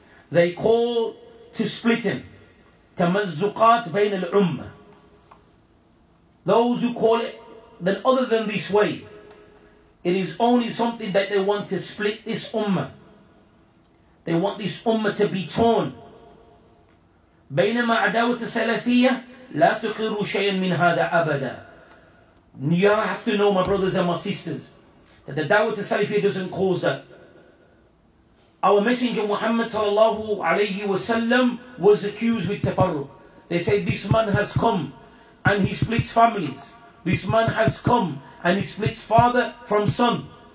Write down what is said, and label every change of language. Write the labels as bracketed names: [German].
[English] They call to split him. [Arabic] Tamazzuqat bayn al-ummah. [English] Those who call it, then other than this way, it is only something that they want to split this ummah. They want this ummah to be torn. [Arabic] بينما عداوة السلفية لا تقر شيئا من هذا أبدا. [English] You have to know, my brothers and my sisters, that the da'wah to Salafiyah doesn't cause that. Our Messenger Muhammad sallallahu alayhi wa sallam was accused with tafarruq. They said, this man has come and he splits families. This man has come and he splits father from son.